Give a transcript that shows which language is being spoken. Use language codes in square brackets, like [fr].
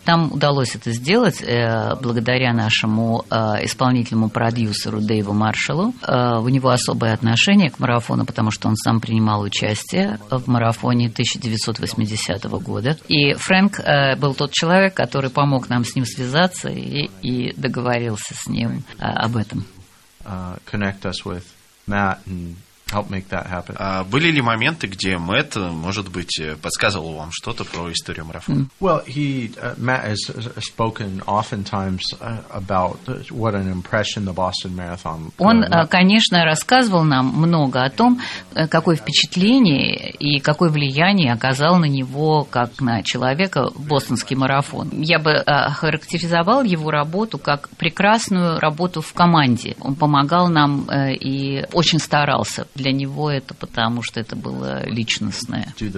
[ru] Нам удалось это сделать благодаря нашему исполнительному продюсеру Дэйву Маршаллу. У него особое отношение к марафону, потому что он сам принимал участие в марафоне 1980 года. И Фрэнк был тот человек, который помог нам с ним связаться и договорился с ним об этом. [en] Connect us with Matt and... Help make that happen. [ru] Были ли моменты, где Мэтт, может быть, подсказывал вам что-то про историю марафона? [en] Well, Matt has spoken oftentimes about what an impression the Boston Marathon. [ru] Он, конечно, рассказывал нам много о том, какое впечатление и какое влияние оказал на него как на человека бостонский марафон. Я бы характеризовал его работу как прекрасную работу в команде. Он помогал нам и очень старался. Для него это потому, что это было личностное.